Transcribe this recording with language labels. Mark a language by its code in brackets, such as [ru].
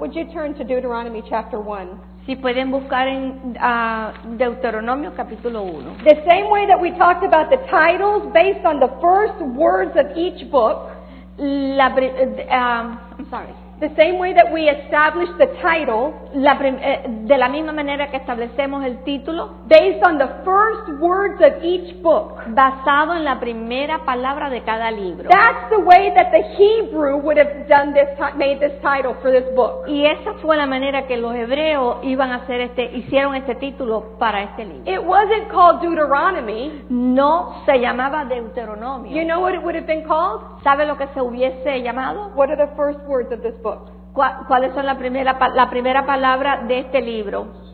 [en] Would you turn to Deuteronomy chapter 1? [es] Si pueden buscar en Deuteronomio capítulo 1. [en] The same way that we talked about the titles based on the first words of each book, the same way that we establish the title, [es] de la misma manera que establecemos el título, [en] based on the first words of each book, [es] basado en la primera palabra de cada libro. [en] That's the way that the Hebrew would have done this, made this title for this book. [es] Y esa fue la manera que los hebreos iban a hacer este, hicieron este título para este libro. [en] It wasn't called Deuteronomy. [es] No se llamaba Deuteronomio. [en] You know what it would have been called? [es] ¿Sabe lo que se hubiese llamado? [en] What are the first words of this book? [es] ¿Cuáles son la primera palabra de este libro?